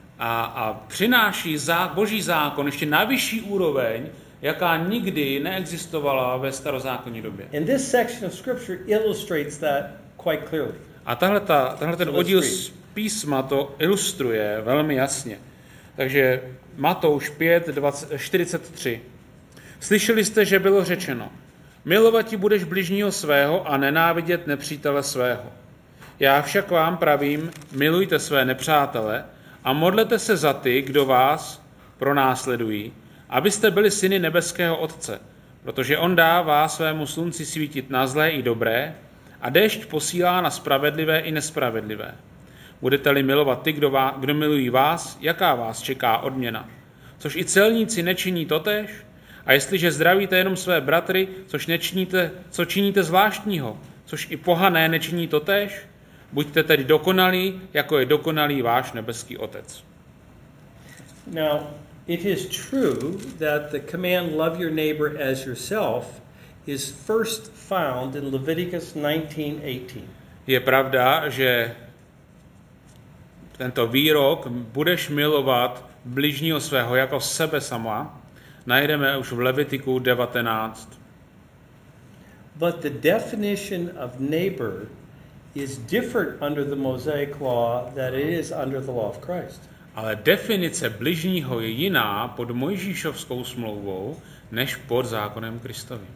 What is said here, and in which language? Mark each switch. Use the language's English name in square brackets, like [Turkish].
[Czech] A přináší Boží zákon ještě na vyšší úroveň, jaká nikdy neexistovala ve starozákonní době. [English] And this section of scripture illustrates that quite clearly. [Czech] A tenhle ten oddíl písma to ilustruje velmi jasně. Takže Matouš 5, 43. Slyšeli jste, že bylo řečeno, milovat ti budeš bližního svého a nenávidět nepřítele svého. Já však vám pravím, milujte své nepřátele a modlete se za ty, kdo vás pronásledují, abyste byli syny nebeského Otce, protože on dává svému slunci svítit na zlé i dobré a déšť posílá na spravedlivé i nespravedlivé. Budete-li milovat ty, kdo milují vás, jaká vás čeká odměna? Což i celníci nečiní totéž? A jestliže zdravíte jenom své bratry, což nečiníte, co činíte zvláštního? Což i pohané nečiní totéž? Buďte tedy dokonalí, jako je dokonalý váš nebeský Otec. [English] Now, it is true that the command love your neighbor as yourself is first found in Leviticus 19:18. [Czech] Je pravda, že tento výrok, budeš milovat bližního svého jako sebe sama, najdeme už v Levitiku 19. [English] But the definition of neighbor is different under the Mosaic law than it is under the law of Christ. [Czech] Ale definice bližního je jiná pod Mojžíšovskou smlouvou než pod zákonem Kristovým.